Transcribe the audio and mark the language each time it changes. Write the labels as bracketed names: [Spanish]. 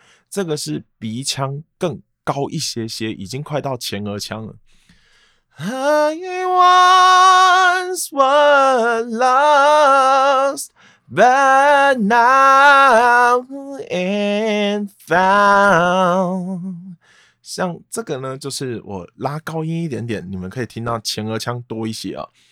[Chinese] 这个是鼻腔更高一些些，已经快到前额腔了。 [English] I once was lost, but now am found. [Chinese] 像这个呢，就是我拉高音一点点，你们可以听到前额腔多一些啊。